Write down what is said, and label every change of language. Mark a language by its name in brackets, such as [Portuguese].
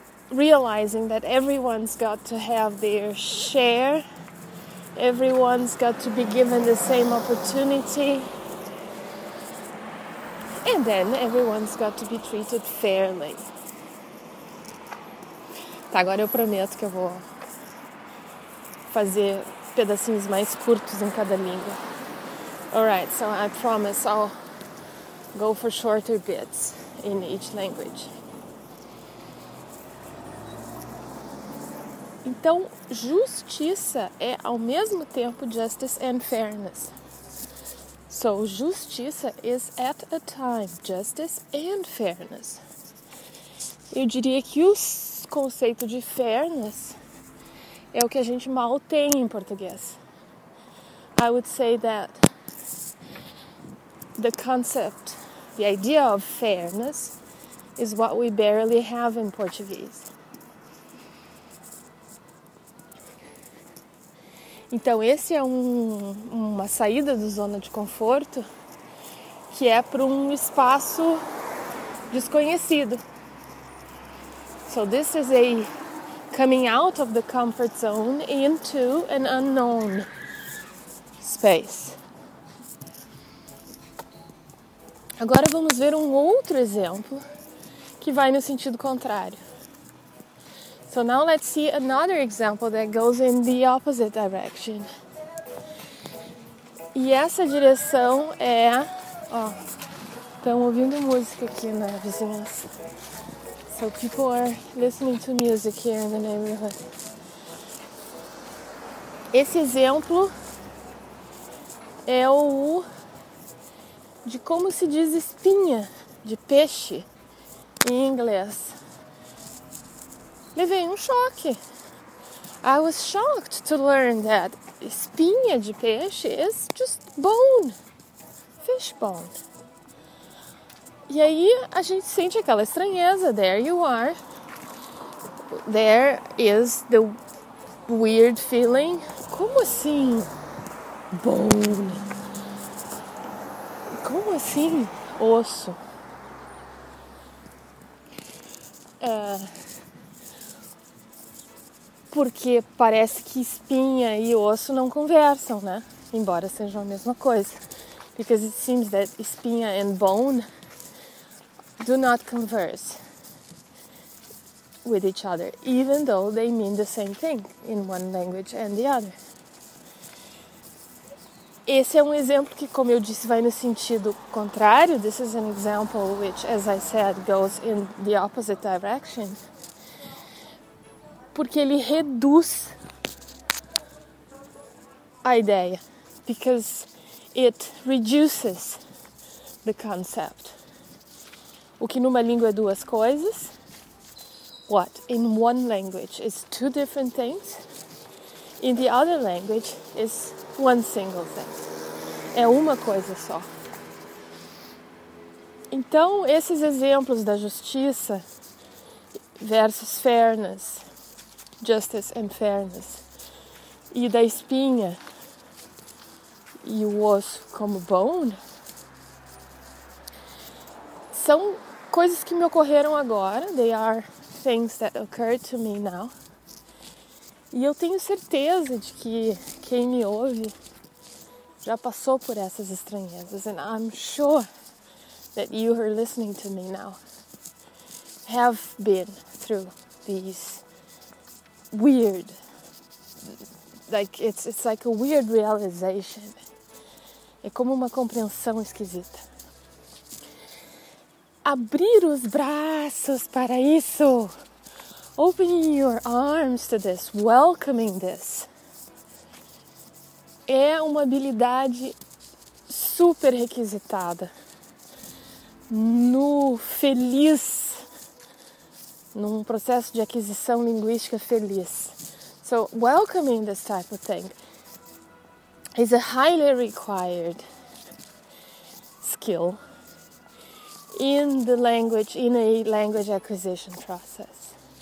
[English] realizing that everyone's got to have their share, everyone's got to be given the same opportunity, and then everyone's got to be treated fairly. [Portuguese] Tá, agora eu prometo que eu vou fazer pedacinhos mais curtos em cada língua. [English] Alright, so I promise I'll go for shorter bits in each language. [Portuguese] Então, justiça é ao mesmo tempo [English] justice and fairness. So, justiça is at a time justice and fairness. [Portuguese] Eu diria que o conceito de fairness é o que a gente mal tem em português. [English] I would say that the concept, the idea of fairness, is what we barely have in Portuguese. [Portuguese] Então, esse é uma saída da zona de conforto, que é para um espaço desconhecido. [English] So this is a coming out of the comfort zone into an unknown space. [Portuguese] Agora vamos ver um outro exemplo que vai no sentido contrário. [English] So now let's see another example that goes in the opposite direction. [Portuguese] E essa direção é... Ó, estão ouvindo música aqui na vizinhança. [English] So people are listening to music here in the neighborhood. [Portuguese] Esse exemplo é o de como se diz espinha de peixe em inglês. Levei um choque. [English] I was shocked to learn that espinha de peixe is just bone. Fish bone. [Portuguese] E aí a gente sente aquela estranheza. [English] There you are. There is the weird feeling. [Portuguese] Como assim? [English] Bone. [Portuguese] Como assim? Osso. Porque parece que espinha e osso não conversam, né? Embora sejam a mesma coisa. [English] Because it seems that espinha and bone do not converse with each other, even though they mean the same thing in one language and the other. [Portuguese] Esse é um exemplo que, como eu disse, vai no sentido contrário. [English] This is an example which, as I said, goes in the opposite direction. [Portuguese] Porque ele reduz a ideia. [English] Because it reduces the concept. [Portuguese] O que numa língua é duas coisas. [English] What in one language is two different things. In the other language is one single thing. [Portuguese] É uma coisa só. Então, esses exemplos da justiça versus fairness, [English] justice and fairness, [Portuguese] e da espinha e o osso como bone, são coisas que me ocorreram agora. [English] They are things that occurred to me now. [Portuguese] E eu tenho certeza de que quem me ouve já passou por essas estranhezas. [English] And I'm sure that you who are listening to me now have been through these weird, like it's like a weird realization. [Portuguese] É como uma compreensão esquisita. Abrir os braços para isso. [English] Opening your arms to this, welcoming this. [Portuguese] É uma habilidade super requisitada. No feliz, num processo de aquisição linguística feliz. [English] So, welcoming this type of thing is a highly required skill in the language, in a language acquisition process.